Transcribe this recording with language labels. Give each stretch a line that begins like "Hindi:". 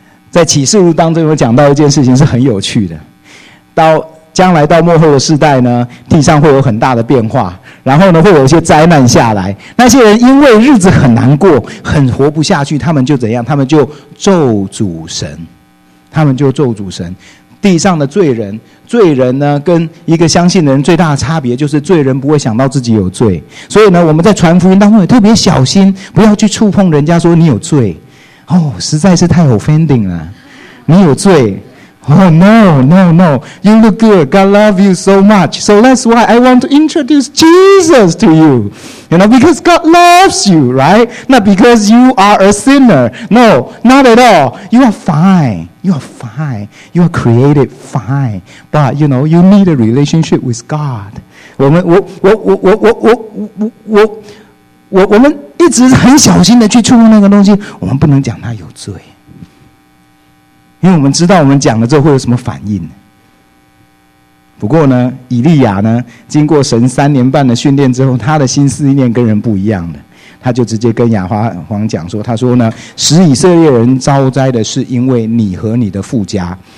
Chinese: 在启示录当中有讲到一件事情是很有趣的，到将来到末后的世代呢，地上会有很大的变化，然后呢会有一些灾难下来，那些人因为日子很难过，很活不下去，他们就怎样，他们就咒诅神，他们就咒诅神。地上的罪人，罪人呢跟一个相信的人最大的差别就是罪人不会想到自己有罪。所以呢我们在传福音当中也特别小心，不要去触碰人家说你有罪，哦，实在是太 offending 了，你有罪。
English: Oh no, no, no, you look good, God love you so much, so that's why I want to introduce Jesus to you, you know, because God loves you, right? Not because you are a sinner, no, not at all, you are fine, you are fine, you are created fine, but you know, you need a relationship with God.
Chinese: 我们一直很小心的去触碰那个东西，我们不能讲他有罪，因为我们知道我们讲了之后会有什么反应。不过呢，以利亚呢，经过神三年半的训练之后，他的心思意念跟人不一样的，他就直接跟亚哈王讲说，他说呢，使以色列人遭灾的是因为你和你的父家。